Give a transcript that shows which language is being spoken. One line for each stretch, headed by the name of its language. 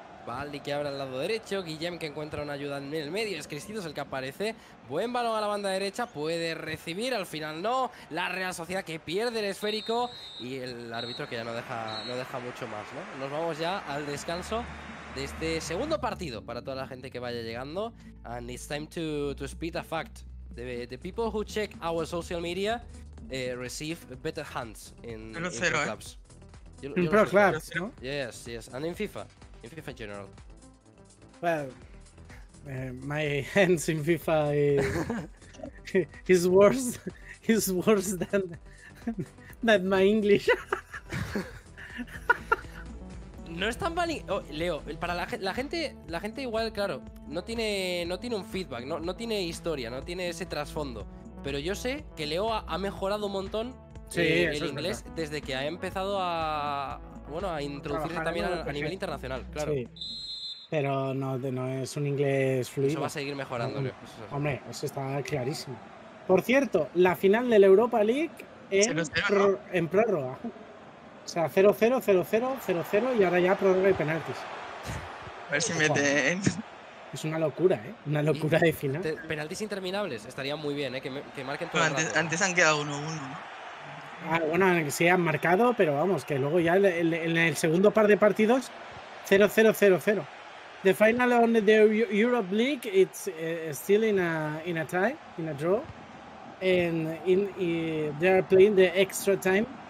Spanish: Baldi que abre al lado derecho. Guillem que encuentra una ayuda en el medio. Es Cristito el que aparece. Buen balón a la banda derecha. Puede recibir. Al final no. La Real Sociedad que pierde el esférico. Y el árbitro que ya no deja mucho más, ¿no? Nos vamos ya al descanso de este segundo partido. Para toda la gente que vaya llegando.
English: And it's time to speed a fact. The people who check our social media receive better hands in pro clubs. In pro clubs, ¿no? Yes. And in FIFA. In FIFA in general. Well, my hands in FIFA is worse. Is worse than my English.
Spanish: No es tan mal. Leo, para la gente igual, claro, no tiene un feedback, no tiene historia, no tiene ese trasfondo. Pero yo sé que Leo ha mejorado un montón, sí, el inglés desde que ha empezado a, bueno, a introducirse también a nivel internacional, claro. Sí. Pero no es un inglés fluido. Eso va a seguir mejorando, Leo. Hombre, eso está clarísimo. Por cierto, la final de la Europa League en prórroga. O sea, 0-0, 0-0, 0-0 y ahora ya prórroga y penaltis. A ver si meten. Es una locura, ¿eh? Una locura de final. Penaltis interminables estarían muy bien, ¿eh? Que marquen todo. Antes han quedado 1-1. Ah, bueno, sí han marcado, pero vamos, que luego ya en el segundo par de partidos, 0-0, 0-0.
English: The final on the Europe League, it's still in a tie, in a draw. And they are playing the extra time.